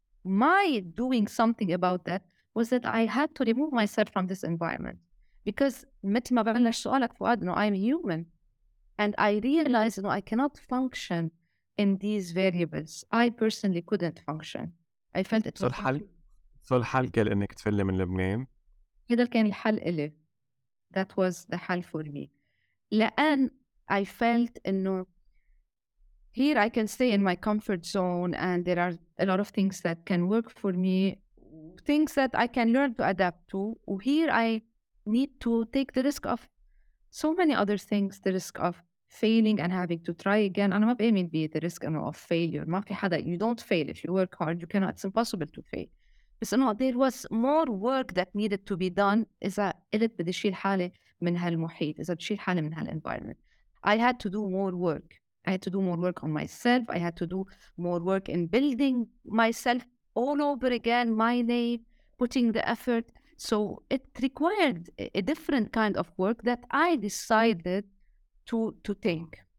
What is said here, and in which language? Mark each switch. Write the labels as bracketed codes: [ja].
[en] My doing something about that was that I had to remove myself from this environment. Because [ar] مثل ما بلش سؤالك [en] فؤاد, no, I'm human. And I realized, no, I cannot function in these variables. I personally couldn't function. I felt it was... [ar] So الحل قال إنك تفلي من لبنان؟ هذا كان الحل إلي. [en] That was the حل for me. لأن I felt إنه here I can stay in my comfort zone and there are a lot of things that can work for me, things that I can learn to adapt to. Here I need to take the risk of so many other things, the risk of failing and having to try again. [ar] أنا ما بآمن بيه [en] the risk of failure. [ar] ما في حدا, [en] you don't fail if you work hard. You cannot, it's impossible to fail. [ar] بس إنه [en] there was more work that needed to be done. [ar] إذا قلت بدي شيل حالي من هالمحيط, إذا بدي شيل حالي من هالenvironment, [en] I had to do more work. I had to do more work on myself. I had to do more work in building myself all over again, my name, putting the effort. So it required a different kind of work that I decided to take.